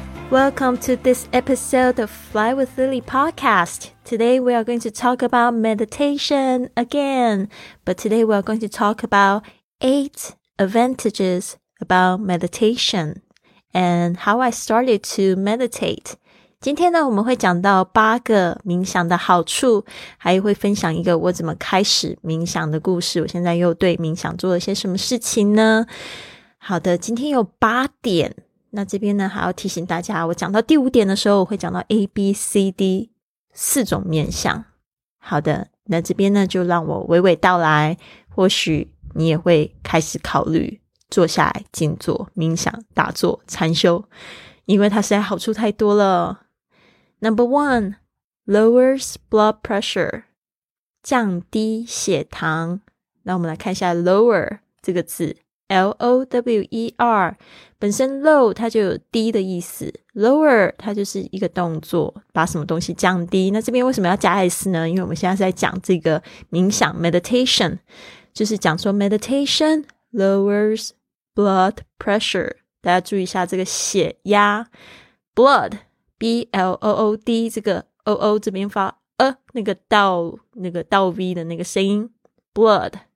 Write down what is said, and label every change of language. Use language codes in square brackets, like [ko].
[en] Welcome to this episode of Fly with Lily podcast. Today we are going to talk about meditation again. But today we are going to talk about 8 advantages about meditation and how I started to meditate. [zh] 今天呢，我们会讲到八个冥想的好处，还会分享一个我怎么开始冥想的故事。我现在又对冥想做了些什么事情呢？好的，今天有八点。那这边呢还要提醒大家，我讲到第五点的时候，我会讲到 ABCD 四种面向。好的，那这边呢就让我娓娓道来，或许你也会开始考虑坐下来静坐、冥想、打坐、禅修，因为它实在好处太多了。 [en] Number one, lowers blood pressure, [zh] 降低血糖。那我们来看一下 lower 这个字，L-O-W-E-R, 本身 low 它就有低的意思， lower 它就是一个动作，把什么东西降低。那这边为什么要加 S 呢？因为我们现在在讲这个冥想 meditation, 就是讲说 [en] meditation lowers blood pressure, [zh] 大家注意一下这个血压 blood, B-L-O-O-D, 这个 O-O 这边发那个倒 V 的那个声音 blood,